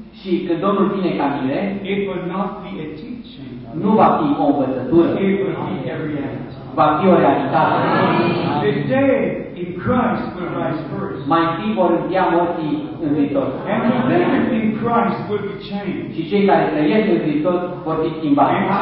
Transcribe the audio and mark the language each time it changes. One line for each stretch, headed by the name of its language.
Romanian: Și când Domnul vine ca mire,
English: it will not be a teaching.
Romanian: Nu va fi o învățătură.
English: It will be a reality.
Romanian: Va fi o realitate.
English: The day in Christ will rise first.
Romanian: Mai întâi vor învia morții în Hristos.
English: And the living in Christ will be changed.
Romanian: Și cei care trăiesc în Hristos vor fi schimbați.